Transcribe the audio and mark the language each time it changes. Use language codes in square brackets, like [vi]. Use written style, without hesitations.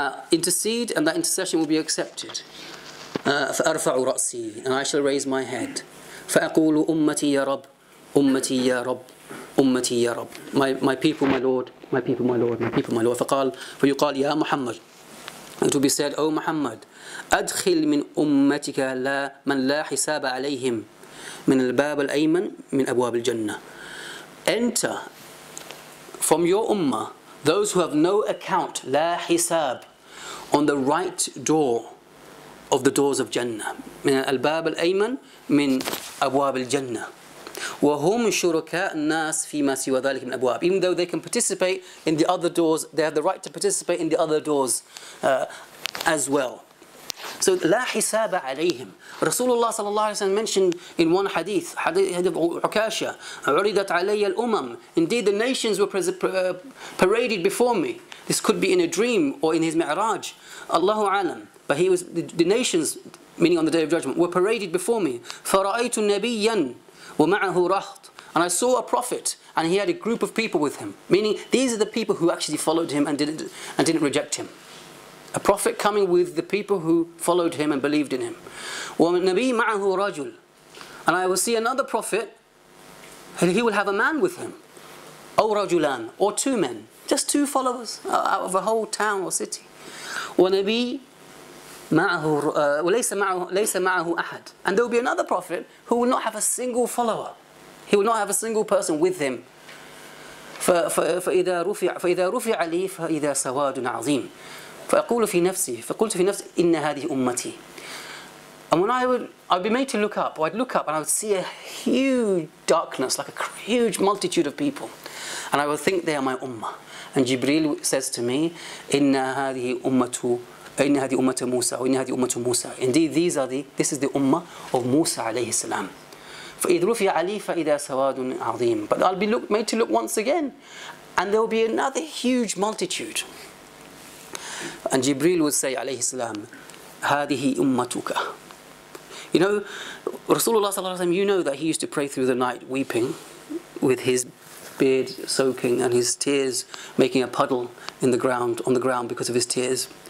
[en] Intercede, and that intercession will be accepted. [ar] فأرفع رأسي [en] and I shall raise my head [ar] فأقول أمتي يا رب أمتي يا رب أمتي يا رب [en] my people my lord [ar] my people my lord my people my lord فقال فيقال يا محمد [en] and to be said oh Muhammad [ar] أدخل من أمتك لا من لا حساب عليهم من الباب الأيمن من أبواب الجنة enter [en] from your ummah those who have no account [ar] لا حساب [en] on the right door of the doors of Jannah. [ar] من الباب الأيمن من أبواب الجنة. وهم شركاء الناس فيما سوى ذلك من أبواب. [en] Even though they can participate in the other doors, they have the right to participate in the other doors as well. So la hisaba alayhim. Rasulullah sallallahu alayhi wa sallam mentioned in one hadith, hadith of Ukasha, uridat alayya al-umam. Indeed, the nations were paraded before me. This could be in a dream or in his mi'raj. Allahu alam. But he was the nations, meaning on the Day of Judgment, were paraded before me. [ar] فَرَأَيْتُ النَّبِيًّا وَمَعَهُ رَحْطٌ. [en] And I saw a prophet, and he had a group of people with him. Meaning, these are the people who actually followed him and didn't reject him. A prophet coming with the people who followed him and believed in him. [ar] وَنَبِيٌّ مَعَهُ رَجُلٌ. [en] And I will see another prophet, and he will have a man with him. [ar] أو رَجُلًا. [en] Or two men. Just two followers out of a whole town or city. [ar] وَنَبِيٌّ معه وليس معه ليس معه أحد. [en] And there will be another prophet who will not have a single follower. He will not have a single person with him. [ar] فإذا رفع لي فإذا سواد عظيم. فقلت في نفسي إن هذه أمتي. [en] And when I'd be made to look up, or I'd look up and I would see a huge darkness, like a huge multitude of people. And I would think they are my ummah. And Jibreel says to me, [ar] إن هذه أمتي. إن هذه أمة موسى وإن هذه أمة موسى. [en] Indeed, this is the ummah of Musa عليه السلام. [ar] فإذ رفع علي فإذا سواد عظيم. [en] But I'll be made to look once again, and there will be another huge multitude. And Jibreel would say عليه السلام, هذه أمتك. You know, Rasulullah صلى الله عليه وسلم, you know that he used to pray through the night weeping, with his beard soaking and his tears making a puddle on the ground because of his tears.